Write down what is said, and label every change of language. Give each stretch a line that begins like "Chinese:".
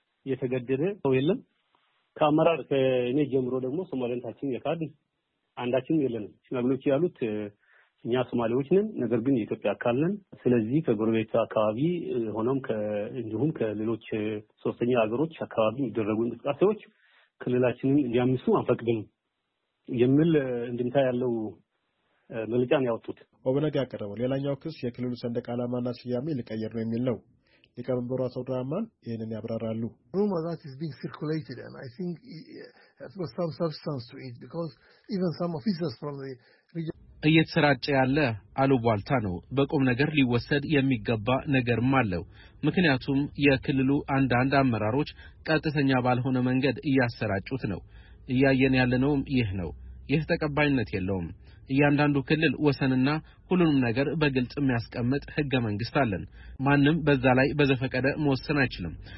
Amharic: የተገደደ ሰው የለም። ከአመራር ከእኔ ጀምሮ ደግሞ ሶማሌነታችን የካድን አንዳችን የለንም። ሽማግሌዎች ያሉት እኛ ሶማሌዎች ነን፣ ነገር ግን የኢትዮጵያ አካል ነን። ስለዚህ ከጎረቤት አካባቢ ሆኖም እንዲሁም ከሌሎች ሶስተኛ ሀገሮች አካባቢ የሚደረጉ እንቅስቃሴዎች ክልላችንን እንዲያምሱ አንፈቅድም የሚል እንድምታ ያለው መግለጫ ነው ያወጡት። ኦብነግ ያቀረበው ሌላኛው ክስ የክልሉ ሰንደቅ ዓላማና ስያሜ ሊቀየር ነው የሚል ነው። ሊቀመንበሩ አሰውድራማን ይህንን ያብራራሉ።
English: Rumor that is being circulated and I think it has some substance to it because even some officers from the region
Amharic: እየተሰራጨ ያለ አሉባልታ ነው። በቁም ነገር ሊወሰድ የሚገባ ነገርም አለ። ምክንያቱም የክልሉ አንዳንድ አመራሮች ቀጥተኛ ባልሆነ መንገድ እያሰራጩት ነው። እያየን ያለነው ይህ ነው። ይህ ተቀባይነት የለውም። እያንዳንዱ ክልል ወሰንና ሁሉንም ነገር በግልጽ የሚያስቀምጥ ህገ መንግስት አለን። ማንንም በዛ ላይ በዘፈቀደ መወሰን አይችልም።